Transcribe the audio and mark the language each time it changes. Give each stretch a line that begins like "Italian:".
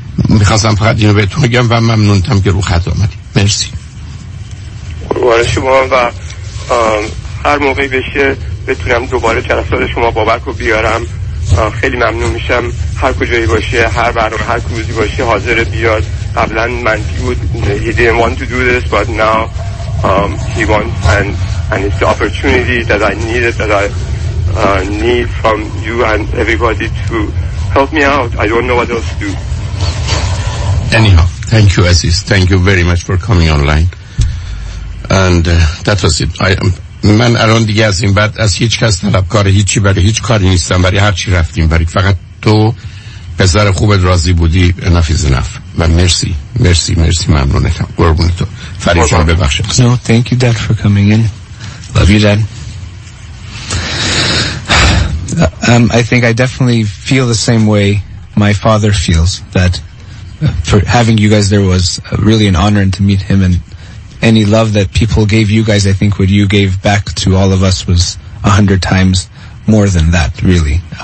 Persian: میخواستم فقط اینو بهتون بگم و ممنونتم که رو خط آمدید. مرسی. قربان شما. و هر موقعی بشه بتونم دوباره جلسات شما بابک رو بیارم، خیلی ممنون میشم. هر کجایی باشه، هر برنامه، هر روزی باشه، حاضر بیاد. قبلا من بود،
English: he didn't want to do this, but now he wants, and it's the opportunity that I needed, that I need from you and everybody to help me out. I don't know what else to do. Anyhow, thank you, Aziz. Thank you very much for coming online. And that was it.
Persian: من الان دیگه از این بعد از هیچ کس طلبکار هیچی برای هیچ کاری نیستم، برای هر چی رفتیم، برای فقط تو پسر خوبت راضی بودی، نفیز نف. و مرسی مرسی مرسی، ممنونتم، قربون تو. فرید جان ببخش.
English: No, thank you dad for coming in. Love you dad. I think I definitely feel the same way my father feels, that for having you guys there was really an honor, and to meet him, and any love that people gave you guys, I think what you gave back to all of us was 100 times more than that, really.